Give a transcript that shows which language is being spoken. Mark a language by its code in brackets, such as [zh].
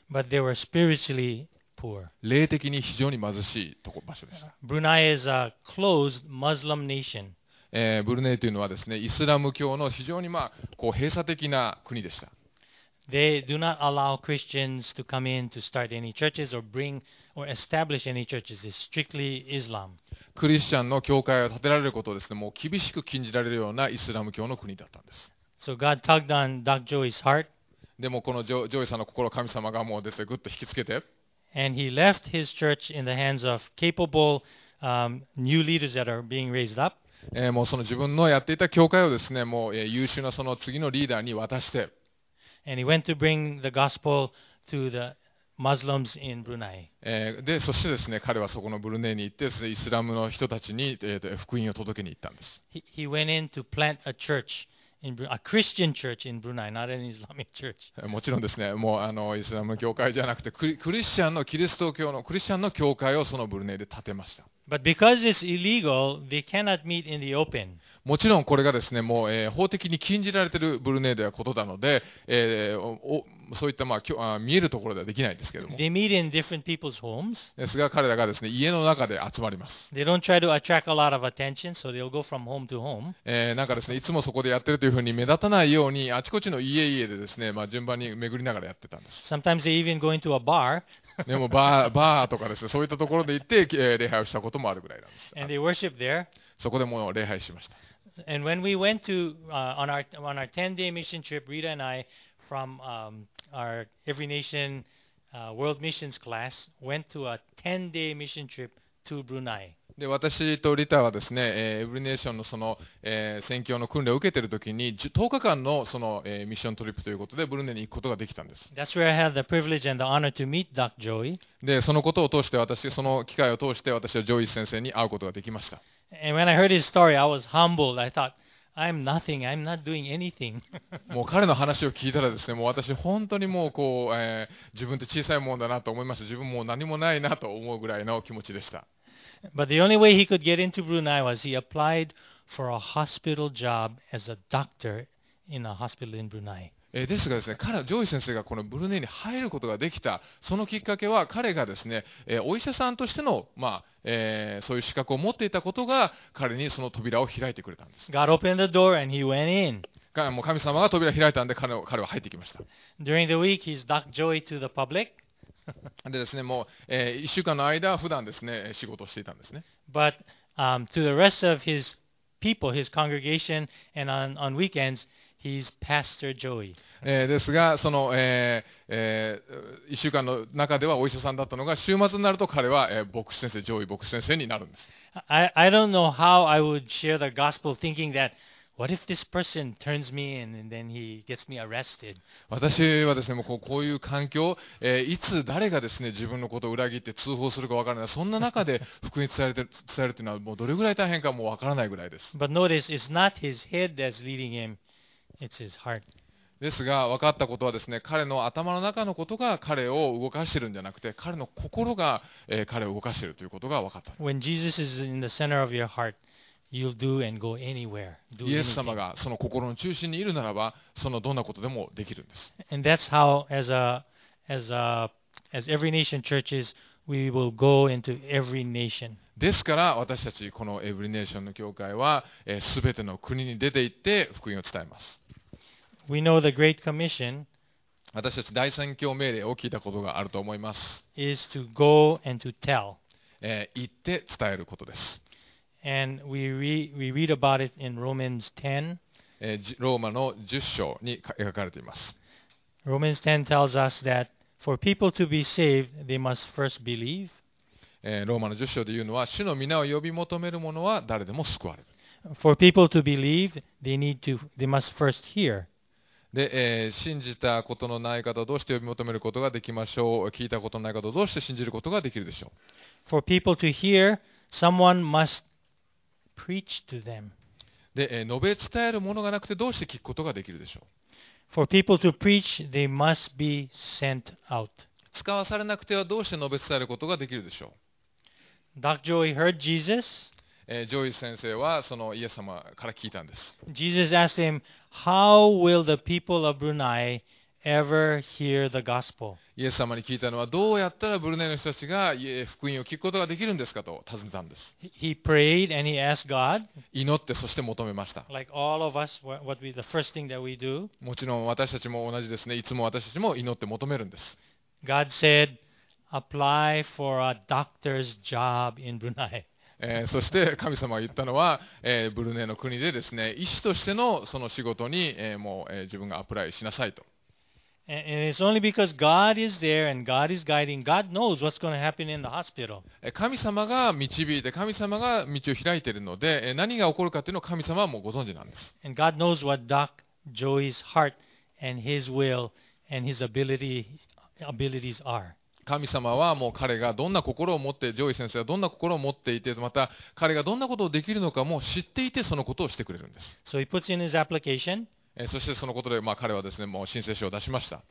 [en] But they were spiritually poor. [ja] 霊的に非常に貧しいところ場所でした。 [en] Brunei is a closed Muslim nation. [ja] ブルネというのはですね、イスラム教の非常にまあこう閉鎖的な国でした。 [en] They do not allow Christians to come in to start any churches or bring or establish any churches. It's strictly Islam. [ja] クリスチャンの教会を建てられることをですね、もう厳しく禁じられるようなイスラム教の国だったんです。 [en] So、God tugged on Doug Joy's heart. [ja] でもこのジョイさんの心を神様がもう出てぐっと引きつけて。 [en] And he left his church in the hands of capable, new leaders that are being raised up. [ja] もうその自分のやっていた教会をですね、もう優秀なその次のリーダーに渡して。 [en] And he went to bring the gospel to the Muslims in Brunei. [ja] で、そしてですね、彼はそこのブルネイに行って、ね、イスラムの人たちに、福音を届けに行ったんです。 [en] He went in to plant a church in a Christian church in Brunei, not an Islamic church. [ja] もちろんですね、もうあのイスラム教会じゃなくてクリスチャンのキリスト教のクリスチャンの教会をそのブルネイで建てました。 [en] But because it's illegal, they cannot meet in the open. [ja] もちろんこれがですね、もう、法的に禁じられているブルネイではことなので、そういった、まあ、見えるところではできないんですけども。 [en] They meet in different people's homes. [ja] ですが彼らがですね、家の中で集まります。 [en] They don't try to attract a lot of attention, so they'll go from home to home. [ja] なんかですね、いつもそこでやってるというふうに目立たないようにあちこちの家々でですね、まあ、順番に巡りながらやってたんです。 [en] Sometimes they even go into a bar. [ja] でもバーとかですね、そういったところで行って、礼拝をしたこともあるぐらいなんです。 [en] And they worship there. [ja] そこでもう礼拝しました。 [en] And when we went to on our 10-day mission trip, Rita and I from our Every Nation World Missions class went to a 10-day mission trip to Brunei. [ja] で私とリタはですね、Every Nation のその宣教の訓練を受けているときに10日間のその、ミッショントリップということでブルネに行くことができたんです。 [en] That's where I had the privilege and the honor to meet Dr. Joy. [ja] でそのことを通して私その機会を通して私はジョイ先生に会うことができました。 [en] And when I heard his story, I was humbled. I thought, I'm nothing. I'm not doing anything. [ja] もう彼の話を聞いたらですね、もう私本当にもうこう、自分って小さいもんだなと思いました。自分もう何もないなと思うぐらいの気持ちでした。 [en] But the only way he could get into Brunei was he applied for a hospital job as a doctor in a hospital in Brunei. [ja] ですがですね、彼ジョイ先生がこのブルネイに入ることができたそのきっかけは彼がですね、お医者さんとしてのまあ。そういう資格を持っていたことが彼にその扉を開いてくれたんです。 [en] God opened the door and he went in. [ja] もう神様が扉を開いたんで彼は入ってきました。 [en] During the week, he's Doc Joy to the public. [ja] でですね、もう、1週間の間普段ですね、仕事をしていたんですね。 [en] But, to the rest of his people, his congregation, and on weekends,He's Pastor Joy. [ja] ですが、その、1週間の中ではお医者さんだったのが、週末になると彼は、牧師先生、ジョイ牧師先生になるんです。 [en] I don't know how I would share the gospel thinking that, what if this person turns me in and then he gets me arrested? [ja] 私はですね、もうこういう環境、いつ誰がですね、自分のことを裏切って通報するか分からない、そんな中で福音伝えるというのは、もうどれぐらい大変かもう分からないぐらいです。 [en] But notice, it's not his head that's leading him. It's his heart. [ja] ですが分かったことはですね、彼の頭の中のことが彼を動かしているんじゃなくて、彼の心が、彼を動かしているということが分かった。 [en] When Jesus is in the center of your heart, you'll do and go anywhere. [ja] イエス様がその心の中心にいるならば、そのどんなことでもできるんです。 [en] And that's how, as every nation churches, we will go into every nation. [ja] ですから私たちこのエブリネーションの教会はすべての国に出て行って福音を伝えます。 [en] We know the Great Commission [ja] 私たち第三教命令を聞いたことがあると思います。 [en] is to go and to tell. [ja] 行って伝えることです。 [en] And we read about it in Romans 10. [ja] ローマの10章に書かれています。 [en] Romans 10 tells us that for people to be saved, they must first believe. [ja] ローマの10章で言うのは、主の皆を呼び求める者は誰でも救われる。 [en] For people to believe, they must first hear. [ja] で、信じたことのない方をどうして呼び求めることができましょう。聞いたことのない方をどうして信じることができるでしょう。 [en] For people to hear, someone must preach to them. [ja] で、述べ伝える者がなくてどうして聞くことができるでしょう。 [en] For people to preach, they must be sent out. [ja] 使わされなくてはどうして述べ伝えることができるでしょう。 [en] Dr. Joy heard Jesus. [ja] ジョイス先生はそのイエス様から聞いたんです。 [en] Jesus asked him, How will the people of Brunei ever hear the gospel? [ja] イエス様に聞いたのは、どうやったらブルネイの人たちが福音を聞くことができるんですかと尋ねたんです。 [en] He prayed and he asked God, [ja] 祈ってそして求めました。 [en] Like all of us, what would be the first thing that we do? [ja] もちろん私たちも同じですね。いつも私たちも祈って求めるんです。 [en] God said, apply for a doctor's job in Brunei. [ja] そして神様が言ったのは、ブルネイの国でですね、医師としてのその仕事に、もう、自分がアプライしなさいと。 [en] And it's only because God is there and God is guiding. God knows what's going to happen in the hospital. [ja] 神様が導いて、神様が道を開いているので、何が起こるかというのを神様はもうご存知なんです。 [en] And God knows what Doc Joey's heart and his will and his abilities are. [ja] 神様はもう彼がどんな心を持って、ジョイ先生がどんな心を持っていて、また彼がどんなことをできるのかも知っていて、そのことをしてくれるんです。 [en] So he puts in his application. [ja] そしてそのことで、まあ、彼はですね、もう申請書を出しました。